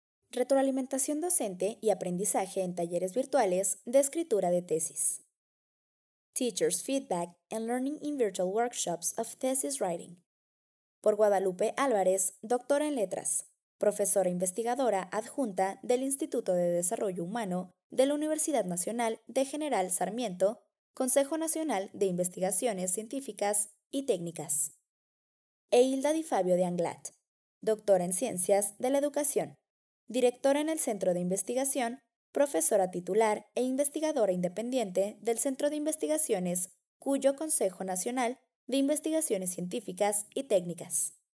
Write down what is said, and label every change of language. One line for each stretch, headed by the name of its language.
Spanish: Retroalimentación docente y aprendizaje en talleres virtuales de escritura de tesis.
English: Teachers' Feedback and Learning in Virtual Workshops of Thesis Writing.
Spanish: Por Guadalupe Álvarez, doctora en letras, profesora investigadora adjunta del Instituto de Desarrollo Humano de la Universidad Nacional de General Sarmiento, Consejo Nacional de Investigaciones Científicas y Técnicas. E Hilda Di Fabio de Anglat, doctora en Ciencias de la Educación, directora en el Centro de Investigación, profesora titular e investigadora independiente del Centro de Investigaciones, cuyo Consejo Nacional de Investigaciones Científicas y Técnicas.